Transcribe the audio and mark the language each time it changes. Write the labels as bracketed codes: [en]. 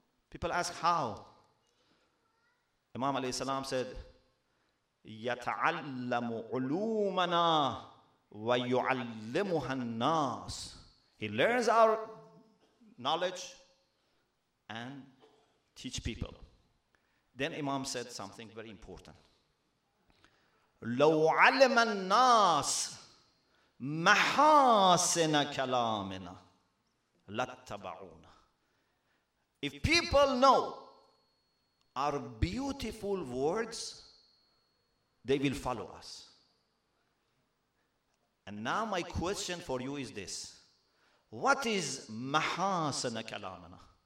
[en] People ask how. Imam alayhi salam said, [ar] Yata'allamu ulumana wa yu'allimuha an-nas. [en] He learns our knowledge and teach people. Then Imam said something very important. [ar] لو علم الناس محاسن كلامنا لاتبعونا. [en] If people know our beautiful words, they will follow us. And now my question for you is this. What is [ar] محاسن كلامنا?